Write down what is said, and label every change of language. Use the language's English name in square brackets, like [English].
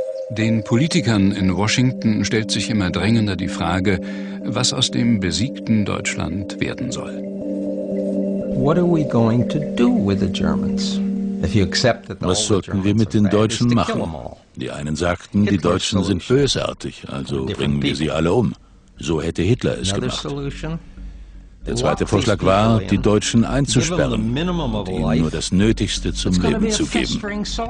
[German] Den Politikern in Washington stellt sich immer drängender die Frage, was aus dem besiegten Deutschland werden soll. [English] What are we going to do with the Germans? [German] Was sollten wir mit den Deutschen machen? Die einen sagten, die Deutschen sind bösartig, also bringen wir sie alle um. So hätte Hitler es gemacht. Der zweite Vorschlag war, die Deutschen einzusperren und ihnen nur das Nötigste zum Leben zu geben.